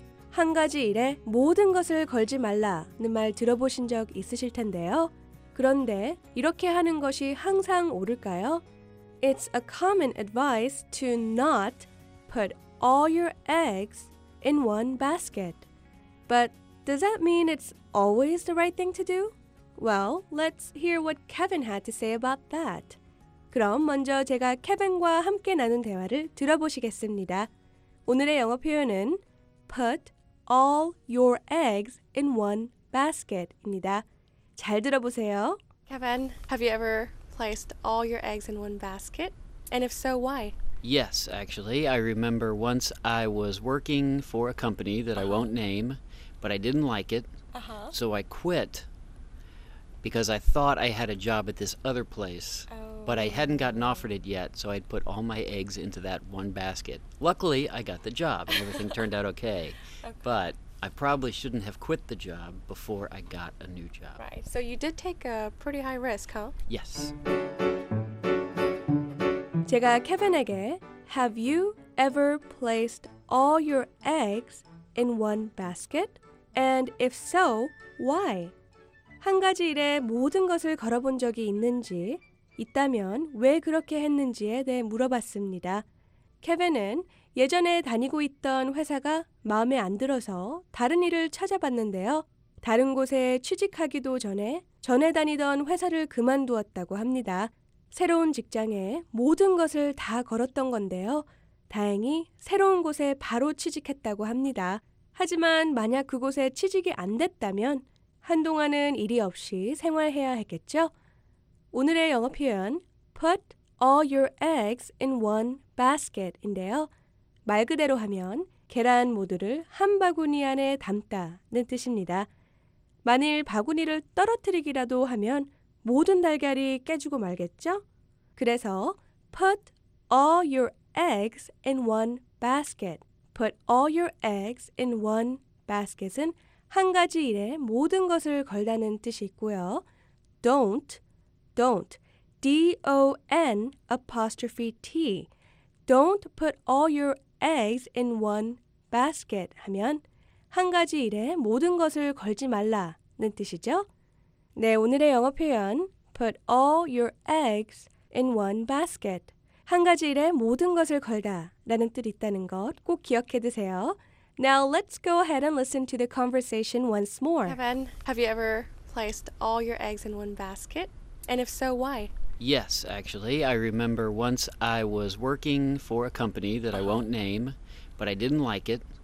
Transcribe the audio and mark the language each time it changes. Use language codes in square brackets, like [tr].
[ko] 한 가지 일에 모든 것을 걸지 말라는 말 들어보신 적 있으실 텐데요. 그런데 이렇게 하는 것이 항상 옳을까요? [en] It's a common advice to not put all your eggs in one basket. But does that mean it's always the right thing to do? Well, let's hear what Kevin had to say about that. [ko] 그럼 먼저 제가 케빈과 함께 나눈 대화를 들어보시겠습니다. 오늘의 영어 표현은 [en] put all your eggs in one basket [ko] 입니다. 잘 들어보세요. [en] Kevin, have you ever placed all your eggs in one basket? And if so, why? Yes, actually. I remember once I was working for a company that I won't name, but I didn't like it, so I quit. Because I thought I had a job at this other place, but I hadn't gotten offered it yet, so I'd put all my eggs into that one basket. Luckily, I got the job, and everything turned out okay. But I probably shouldn't have quit the job before I got a new job. Right, so you did take a pretty high risk, huh? Yes. [ko] 제가 케빈에게, [en] Have you ever placed all your eggs in one basket? [ko] And if so, why? 한 가지 일에 모든 것을 걸어본 적이 있는지, 있다면 왜 그렇게 했는지에 대해 물어봤습니다. 케빈은 예전에 다니고 있던 회사가 마음에 안 들어서 다른 일을 찾아봤는데요. 다른 곳에 취직하기도 전에 다니던 회사를 그만두었다고 합니다. 새로운 직장에 모든 것을 다 걸었던 건데요. 다행히 새로운 곳에 바로 취직했다고 합니다. 하지만 만약 그곳에 취직이 안 됐다면 한동안은 일이 없이 생활해야 했겠죠? 오늘의 영어 표현, [en] put all your eggs in one basket [ko] 인데요. 말 그대로 하면 계란 모두를 한 바구니 안에 담다는 뜻입니다. 만일 바구니를 떨어뜨리기라도 하면 모든 달걀이 깨지고 말겠죠? 그래서 [en] put all your eggs in one basket. Put all your eggs in one basket [ko] 은 한 가지 일에 모든 것을 걸다는 뜻이 있고요. [en] Don't, D-O-N apostrophe T. Don't put all your eggs in one basket [ko] 하면 한 가지 일에 모든 것을 걸지 말라는 뜻이죠. 네, 오늘의 영어 표현 [en] put all your eggs in one basket. [ko] 한 가지 일에 모든 것을 걸다 라는 뜻이 있다는 것 꼭 기억해 두세요. [en] Now let's go ahead and listen to the conversation once more. Kevin, have you ever placed all your eggs in one basket? And if so, why? Yes, actually. I remember once I was working for a company that I won't name, but I didn't like it.